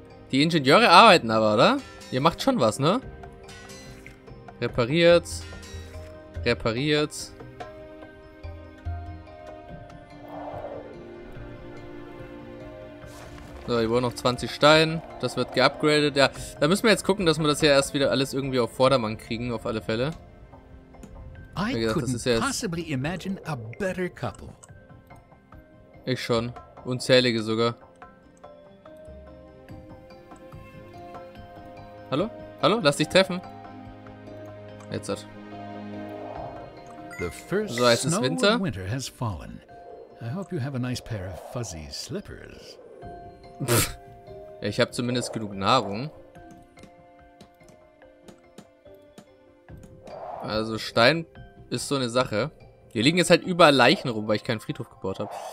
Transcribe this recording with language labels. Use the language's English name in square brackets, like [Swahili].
[German] Die Ingenieure arbeiten aber, oder? Ihr macht schon was, ne? Repariert. Repariert. So, hier wurden noch 20 Steine. Das wird geupgradet. Ja, da müssen wir jetzt gucken, dass wir das hier erst wieder alles irgendwie auf Vordermann kriegen, auf alle Fälle. [English] Ich couldn't possibly imagine a better couple. [German] Ich schon. Unzählige sogar. Hallo? Hallo? Lass dich treffen. Jetzt hat. So, jetzt ist Winter. [English] Winter has fallen. I hope you have a nice pair of fuzzy slippers. [German] Ja, ich habe zumindest genug Nahrung. Also Stein ist so eine Sache. Hier liegen jetzt halt überall Leichen rum, weil ich keinen Friedhof gebaut habe.